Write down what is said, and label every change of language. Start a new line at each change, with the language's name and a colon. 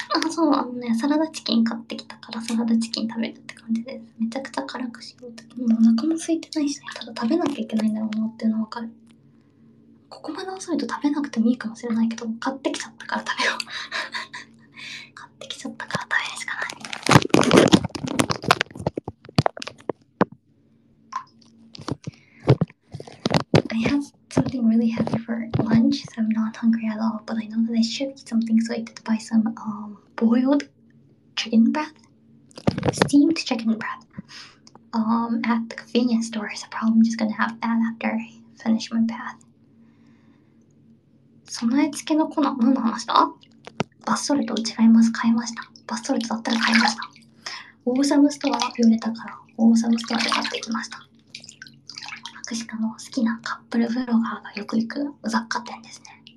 Japanese: そう、あのね、サラダチキン買ってきたからサラダチキン食べるって感じです。めちゃくちゃ辛くしようと、もうお腹も空いてないし、ね、ただ食べなきゃいけないんだろうなっていうのわかる。ここまで遅いと食べなくてもいいかもしれないけど、買ってきちゃったから食べよう買ってきちゃったから食べるしかない。
English: I have something really heavy for lunch, so I'm not hungry at all, but I know that I should eat something, so I did buy some boiled chicken breath, steamed chicken breath, at the convenience store. So probably I'm just gonna have that after I finish my bath.
Japanese: 備え付けの粉、何の話だ？バスソルト違います。買いました。バスソルトだったら買いました。オーサムストアは売れたから、オーサムストアで買ってきました。白石家の好きなカップルブロガーがよく行く雑貨店ですね。